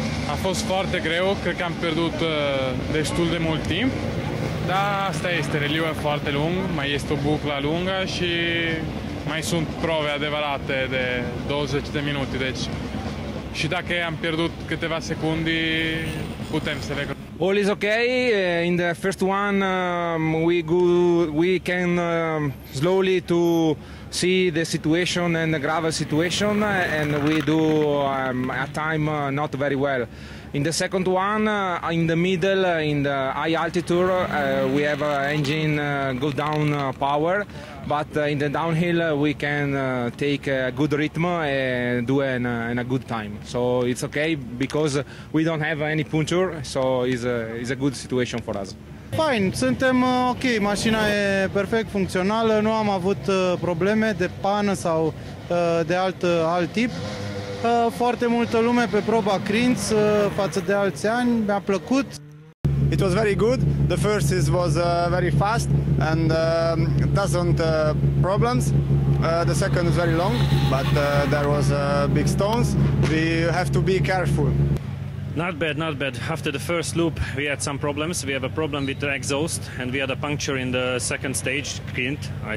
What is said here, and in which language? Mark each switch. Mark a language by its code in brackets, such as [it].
[ro] A fost foarte greu, cred că am pierdut destul de mult timp, dar asta este, raliul e foarte lung, mai este o buclă lungă și mai sunt prove adevărate de 20 de minute, deci și dacă am pierdut câteva secunde, putem să recunoaștem. [en] All is okay. In the first one, we can slowly to see the situation and the gravel situation, and we do a time not very well. In the second one, in the middle, in the high altitude, we have engine go down power, but in the downhill we can take a good rhythm and do a good time. So it's okay because we don't have any puncture, so it's a good situation for us. [ro] Fine, suntem ok, mașina e perfect funcțională, nu am avut probleme de pană sau de alt tip. Foarte multă lume pe proba Crinț față de alți ani, mi-a plăcut. [en] It was very good. The first is was very fast and doesn't problems. The second is very long, but there was big stones. We have to be careful. Not bad, not bad. After the first loop, we had some problems. We have a problem with the exhaust and we had a puncture in the second stage, Crinț.